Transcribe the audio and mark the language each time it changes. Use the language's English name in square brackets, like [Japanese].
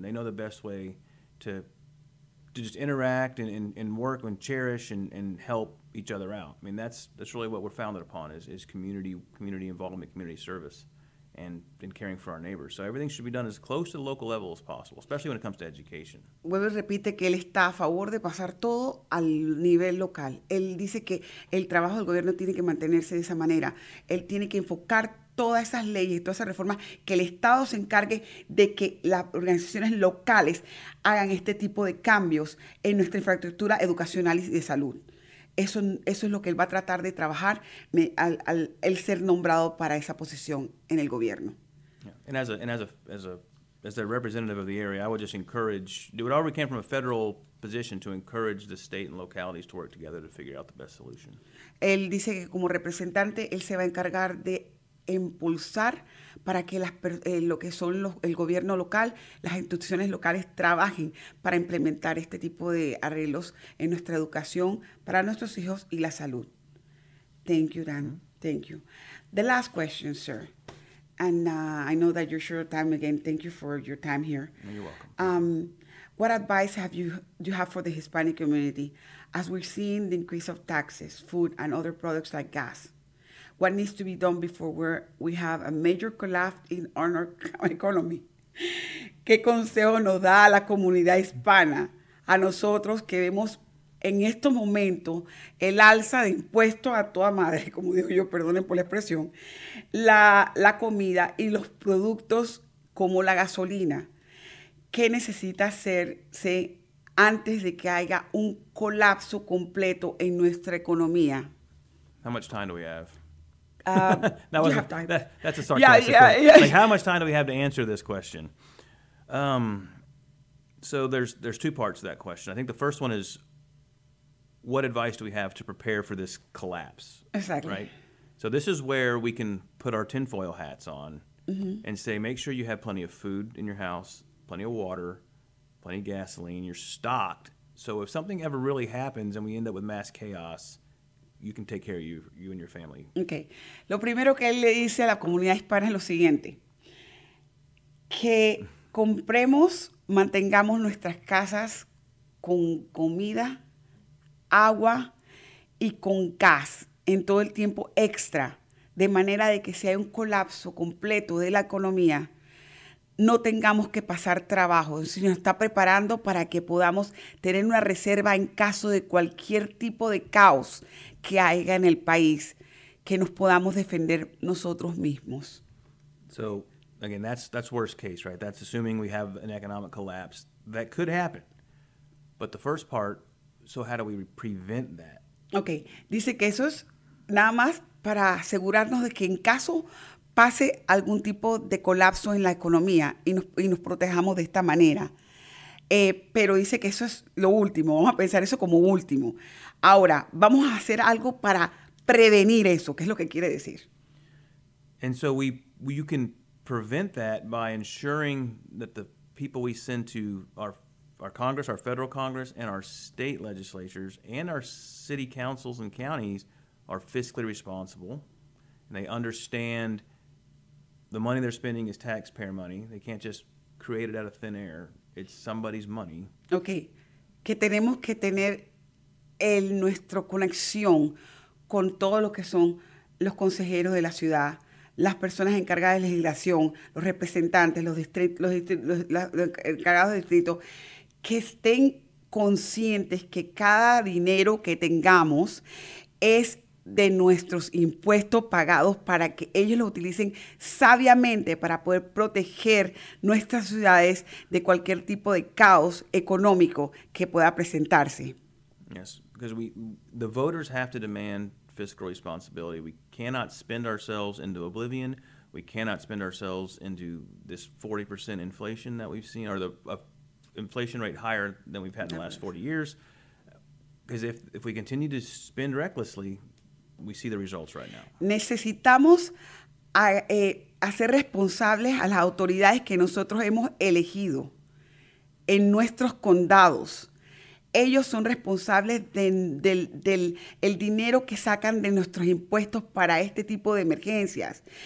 [English] They know the best way to just interact and work and cherish and help each other out. I mean, that's really what we're founded upon is community involvement, community service, and caring for our neighbors. So everything should be done as close to the local level as possible, especially when it comes to education. [Spanish] Vuelve y repite que él está a favor de pasar todo al nivel local. Él dice que el trabajo del gobierno tiene que mantenerse de esa manera. Él tiene que enfocar todas esas leyes, todas esas reformas, que el Estado se encargue de que las organizaciones locales hagan este tipo de cambios en nuestra infraestructura educacional y de salud. Eso es lo que él va a tratar de trabajar al el ser nombrado para esa posición en el gobierno. [English] Yeah. And as a representative of the area, I would just encourage, do it all we can from a federal position to encourage the state and localities to work together to figure out the best solution. [Spanish] Él dice que como representante, él se va a encargar de impulsar para que el gobierno local, las instituciones locales trabajen para implementar este tipo de arreglos en nuestra educación, para nuestros hijos y la salud. [English] Thank you, Dan. Mm-hmm. Thank you. The last question, sir. And I know that you're short of time again. Thank you for your time here. You're welcome. What advice do you have for the Hispanic community as we're seeing the increase of taxes, food, and other products like gas? What needs to be done before we have a major collapse in our economy? [Spanish] ¿Qué consejo nos da a la comunidad hispana, a nosotros que vemos en estos momentos el alza de impuestos a toda madre, como digo yo, perdonen por la expresión, la comida y los productos como la gasolina? ¿Qué necesita hacerse antes de que haya un colapso completo en nuestra economía? [English] How much time do we have? That's a sarcastic question. Yeah. Like, how much time do we have to answer this question? So there's two parts to that question. I think the first one is, what advice do we have to prepare for this collapse? Exactly. Right? So this is where we can put our tinfoil hats on and say, make sure you have plenty of food in your house, plenty of water, plenty of gasoline, you're stocked. So if something ever really happens and we end up with mass chaos, you can take care of you and your family. Okay. [Spanish] Lo primero que él le dice a la comunidad hispana es lo siguiente. Que compremos, mantengamos nuestras casas con comida, agua y con gas en todo el tiempo extra, de manera de que si hay un colapso completo de la economía, no tengamos que pasar trabajo. Se nos está preparando para que podamos tener una reserva en caso de cualquier tipo de caos que haya en el país, que nos podamos defender nosotros mismos. [English] So, again, that's worst case, right? That's assuming we have an economic collapse. That could happen. But the first part, so how do we prevent that? Okay. [Spanish] Dice que eso es nada más para asegurarnos de que en caso pase algún tipo de colapso en la economía y nos protejamos de esta manera. Pero dice que eso es lo último. Vamos a pensar eso como último. Ahora, vamos a hacer algo para prevenir eso, que es lo que quiere decir. [English] And so you can prevent that by ensuring that the people we send to our Congress, our federal Congress, and our state legislatures, and our city councils and counties are fiscally responsible, and they understand the money they're spending is taxpayer money. They can't just create it out of thin air. It's somebody's money. Okay. [Spanish] Que tenemos que tener nuestra conexión con todo lo que son los consejeros de la ciudad, las personas encargadas de legislación, los representantes, los encargados de distrito, que estén conscientes que cada dinero que tengamos es de nuestros impuestos pagados para que ellos lo utilicen sabiamente para poder proteger nuestras ciudades de cualquier tipo de caos económico que pueda presentarse. [English] Yes, because the voters have to demand fiscal responsibility. We cannot spend ourselves into oblivion. We cannot spend ourselves into this 40% inflation that we've seen, or the inflation rate higher than we've had in the last 40 years. Because if we continue to spend recklessly, we see the results right now. [Spanish] Necesitamos hacer responsables a las autoridades que nosotros hemos elegido en nuestros condados. Ellos son responsables del dinero que sacan de nuestros impuestos para este tipo de emergencias.